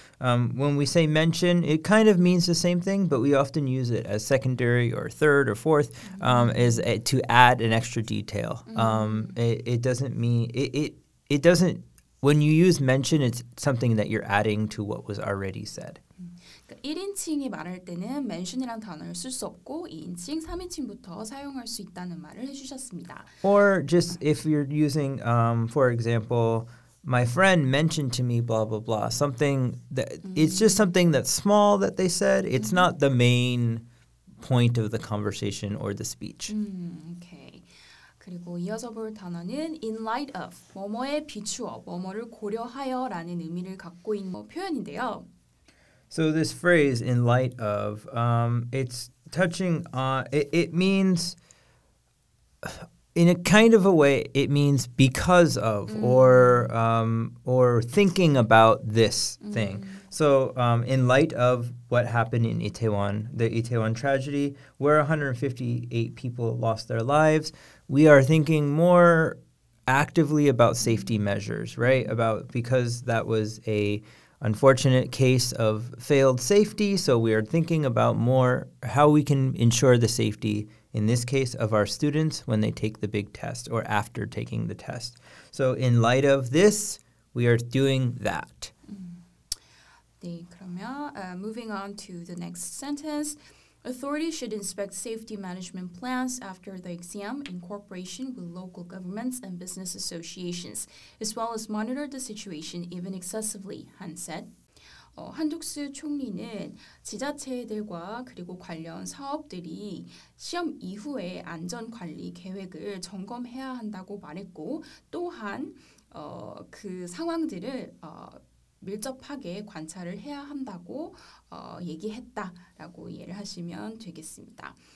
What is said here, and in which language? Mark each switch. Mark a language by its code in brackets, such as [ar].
[en] When we say mention, it kind of means the same thing, but we often use it as secondary or third or fourth, to add an extra detail. Mm-hmm. It doesn't mean when you use mention, it's something that you're adding to what was already said. [ko] 1인칭이 말할 때는 mention이라는 단어를 쓸 수 없고 2인칭, 3인칭부터 사용할 수 있다는 말을 해주셨습니다. [en] Or just if you're using, for example, my friend mentioned to me blah, blah, blah, something that it's just something that's small that they said. It's not the main point of the conversation or the speech. Okay. [ko] 그리고 이어서 볼 단어는 in light of, 뭐뭐에 비추어, 뭐뭐를 고려하여 라는 의미를 갖고 있는 표현인데요. [en] So this phrase, in light of, it's touching on, it means, in a kind of a way, it means because of or thinking about this thing. So in light of what happened in Itaewon, the Itaewon tragedy, where 158 people lost their lives, we are thinking more actively about safety measures, right? About because that was a unfortunate case of failed safety, so we are thinking about more how we can ensure the safety, in this case, of our students when they take the big test or after taking the test. So in light of this, we are doing that. [ko] 네, 그러면 [en] moving on to the next sentence. Authorities should inspect safety management plans after the exam in cooperation with local governments and business associations, as well as monitor the situation even excessively, Han said. [ko] 한독수 총리는 지자체들과 그리고 관련 사업들이 시험 이후에 안전 관리 계획을 점검해야 한다고 말했고, 또한 그 상황들을 밀접하게 관찰을 해야 한다고 얘기했다라고 이해를 하시면 되겠습니다.